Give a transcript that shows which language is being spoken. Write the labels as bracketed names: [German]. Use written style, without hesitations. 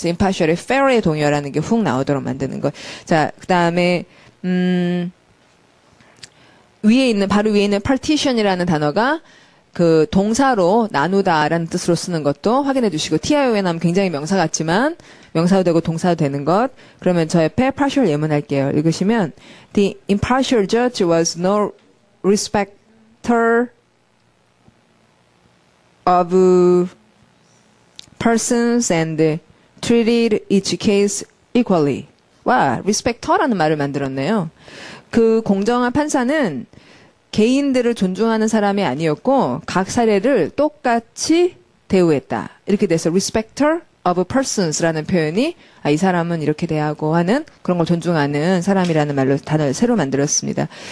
[Korean] 그래서 impartial의 fair의 동의어라는 게훅 나오도록 만드는 것. 자, 그 다음에, 위에 있는, 바로 위에 있는 partition이라는 단어가 그 동사로 나누다라는 뜻으로 쓰는 것도 확인해 주시고, tion 하면 굉장히 명사 같지만, 명사도 되고 동사도 되는 것. 그러면 저 옆에 partial 예문 할게요. 읽으시면, [English] The impartial judge was no respecter of persons and treated each case equally. [Korean] 와, respecter라는 말을 만들었네요. 그 공정한 판사는 개인들을 존중하는 사람이 아니었고, 각 사례를 똑같이 대우했다. 이렇게 돼서 respecter of persons라는 표현이, 아, 이 사람은 이렇게 대하고 하는, 그런 걸 존중하는 사람이라는 말로 단어를 새로 만들었습니다.